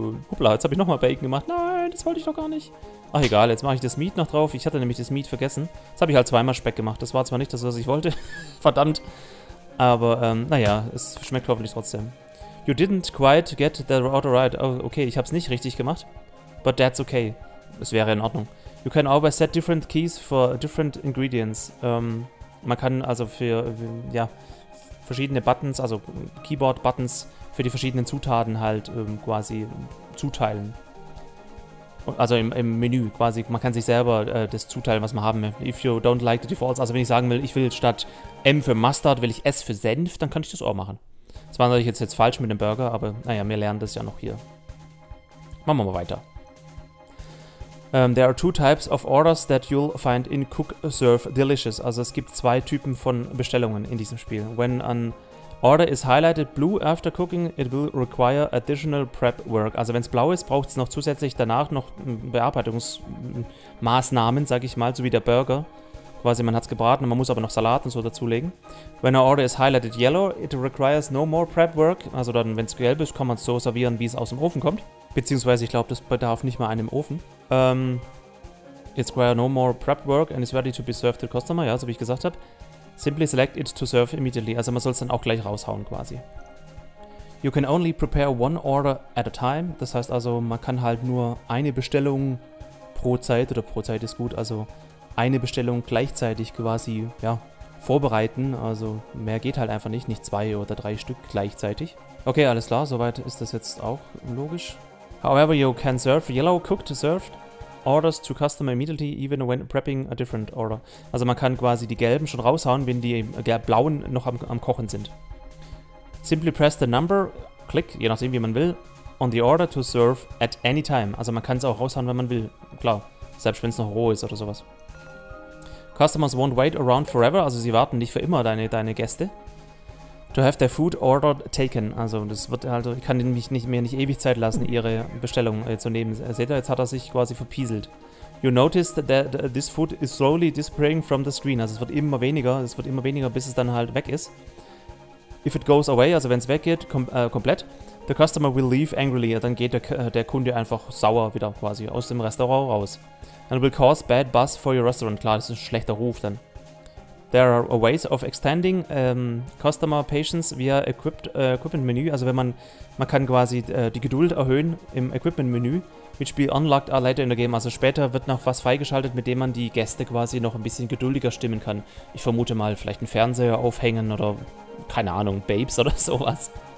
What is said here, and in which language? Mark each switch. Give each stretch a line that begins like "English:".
German: Hoppla, jetzt habe ich nochmal Bacon gemacht. Nein, das wollte ich doch gar nicht. Ach, egal, jetzt mache ich das Meat noch drauf. Ich hatte nämlich das Meat vergessen. Jetzt habe ich halt zweimal Speck gemacht. Das war zwar nicht das, was ich wollte. Verdammt. Aber, naja, es schmeckt hoffentlich trotzdem.
English: You didn't quite get the order right.
German: Oh, okay, ich habe es nicht richtig gemacht.
English: But that's okay.
German: Es wäre in Ordnung.
English: You can always set different keys for different ingredients.
German: Man kann also für, ja, verschiedene Buttons, also Keyboard-Buttons für die verschiedenen Zutaten halt quasi zuteilen. Also im Menü quasi. Man kann sich selber das zuteilen, was man haben will.
English: If you don't like the defaults,
German: also wenn ich sagen will, ich will statt M für Mustard, will ich S für Senf, dann kann ich das auch machen. Das war natürlich jetzt falsch mit dem Burger, aber naja, wir lernen das ja noch hier. Machen wir mal weiter.
English: There are two types of orders that you'll find in Cook Serve Delicious.
German: Also es gibt zwei Typen von Bestellungen in diesem Spiel.
English: When an order is highlighted blue after cooking, it will require additional prep work.
German: Also wenn es blau ist, braucht es noch zusätzlich danach noch Bearbeitungsmaßnahmen, sag ich mal, so wie der Burger. Quasi, man hat es gebraten, man muss aber noch Salat und so dazulegen.
English: When an order is highlighted yellow, it requires no more prep work.
German: Also dann, wenn es gelb ist, kann man es so servieren, wie es aus dem Ofen kommt. Beziehungsweise, ich glaube, das bedarf nicht mal einem Ofen.
English: It's require no more prep work and is ready to be served to the customer.
German: Ja, so wie ich gesagt habe.
English: Simply select it to serve immediately.
German: Also man soll es dann auch gleich raushauen quasi.
English: You can only prepare one order at a time.
German: Das heißt also, man kann halt nur eine Bestellung pro Zeit, oder pro Zeit ist gut, also eine Bestellung gleichzeitig quasi, ja, vorbereiten. Also mehr geht halt einfach nicht. Nicht zwei oder drei Stück gleichzeitig. Okay, alles klar. Soweit ist das jetzt auch logisch.
English: However, you can serve yellow cooked served orders to customer immediately, even when prepping a different order.
German: Also man kann quasi die gelben schon raushauen, wenn die blauen noch am Kochen sind.
English: Simply press the number, click,
German: je nachdem wie man will,
English: on the order to serve at any time.
German: Also man kann es auch raushauen, wenn man will. Klar, selbst wenn es noch roh ist oder sowas.
English: Customers won't wait around forever,
German: also sie warten nicht für immer deine Gäste.
English: To have their food order taken,
German: also das wird halt, ich kann mich nicht ewig Zeit lassen, ihre Bestellung zu nehmen. Seht ihr, jetzt hat er sich quasi verpieselt.
English: You notice that this food is slowly disappearing from the screen,
German: also es wird immer weniger, bis es dann halt weg ist.
English: If it goes away,
German: also wenn es weggeht, komplett,
English: the customer will leave angrily,
German: dann geht der Kunde einfach sauer wieder quasi aus dem Restaurant raus.
English: And it will cause bad buzz for your restaurant,
German: klar, das ist ein schlechter Ruf dann.
English: There are ways of extending customer patience via equipment menu.
German: Also wenn man kann quasi die Geduld erhöhen im Equipment Menü. Mit Spiel
English: unlocked are later in the game.
German: Also später wird noch was freigeschaltet, mit dem man die Gäste quasi noch ein bisschen geduldiger stimmen kann. Ich vermute mal vielleicht einen Fernseher aufhängen oder keine Ahnung, Babes oder sowas.